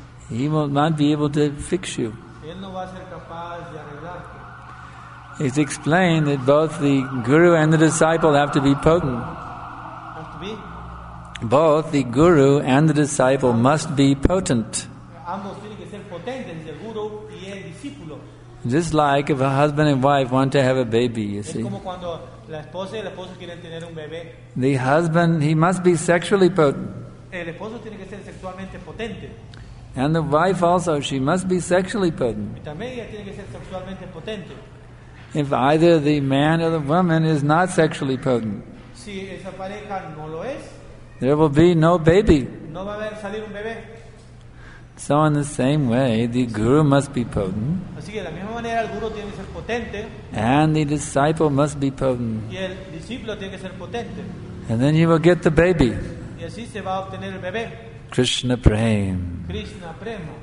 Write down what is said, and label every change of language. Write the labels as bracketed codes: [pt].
[en] he will not be able to fix you. [es] Él no va a ser capaz de arreglarte. [en] It's explained that both the guru and the disciple have to be potent. Have to be? Both the guru and the disciple must be potent. [es] Ambos tienen que ser potentes, el guru y el discípulo. [en] Just like if a husband and wife want to have a baby, you es see. [es] Como cuando la esposa y el esposo quieren tener un bebé. [en] The husband, he must be sexually potent. [es] El esposo tiene que ser sexualmente potente. [en] And the wife also, she must be sexually potent. [es] Y también ella tiene que ser sexualmente potente. [en] If either the man or the woman is not sexually potent, [es] si esa pareja no lo es, [en] there will be no baby. [es] No va a haber salir un bebé. [en] So in the same way, the guru must be potent. [es] Así que de la misma manera, el guru tiene que ser potente, [en] and the disciple must be potent. [es] Y el discípulo tiene que ser potente. [en] And then you will get the baby. [es] Y así se va a obtener el bebé. Krishna Prem. Krishna Prem.